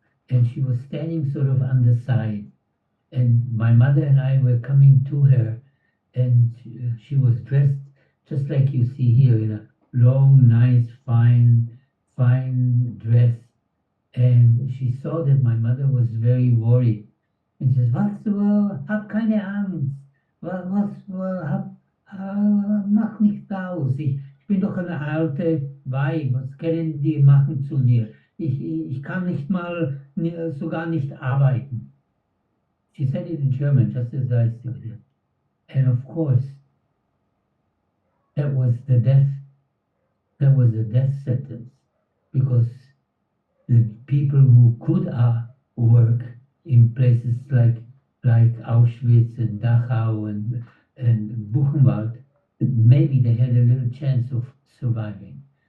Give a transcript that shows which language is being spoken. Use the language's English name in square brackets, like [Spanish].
[English] And she was standing sort of on the side. And my mother and I were coming to her, and she was dressed just like you see here, in a long, nice, fine dress. And she saw that my mother was very worried. And she says, [German] "Was wohl, hab keine Angst. Was wohl, hab, mach nichts aus. Ich bin doch eine alte Weib. Was können die machen zu mir? Ich kann nicht mal, sogar nicht arbeiten." [English] She said it in German, just as I said it. And of course, that was the death sentence, because the people who could work in places like Auschwitz and Dachau and Buchenwald, maybe they had a little chance of surviving.